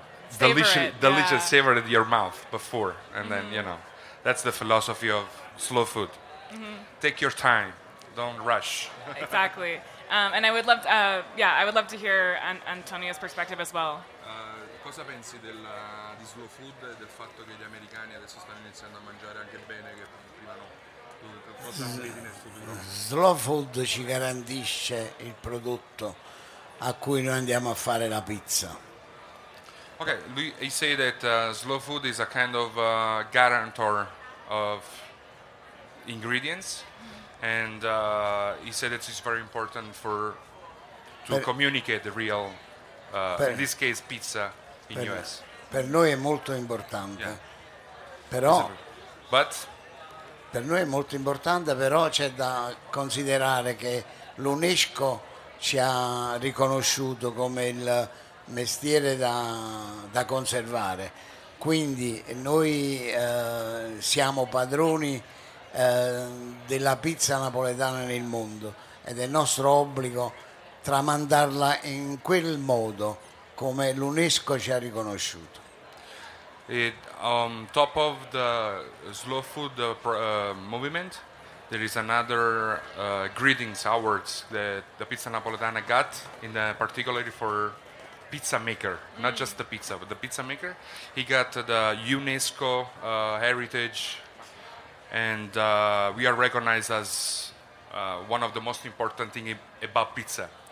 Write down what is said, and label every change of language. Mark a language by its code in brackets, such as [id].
[en] savor in your mouth before. And then, you know, that's the philosophy of slow food. Take your time. Don't rush. Exactly. And I would love to, I would love to hear Antonio's perspective as well. [it] Cosa pensi di slow food e del fatto che gli americani adesso stanno iniziando a mangiare anche bene, che prima no? Slow food ci garantisce il prodotto a cui noi andiamo a fare la pizza. [en] Okay, he said that slow food is a kind of guarantor of ingredients, and he said that it's very important for to communicate the real, in this case, pizza in US. [it] Per noi è molto importante, però. [en] But [it] per noi è molto importante, però c'è da considerare che l'UNESCO ci ha riconosciuto come il mestiere da conservare, quindi noi siamo padroni della pizza napoletana nel mondo ed è nostro obbligo tramandarla in quel modo come l'UNESCO ci ha riconosciuto. [en] It, on top of the slow food movement, there is another greetings awards that the Pizza Napoletana got, in particularly for pizza maker, not just the pizza, but the pizza maker. He got the UNESCO heritage, and we are recognized as one of the most important thing about pizza.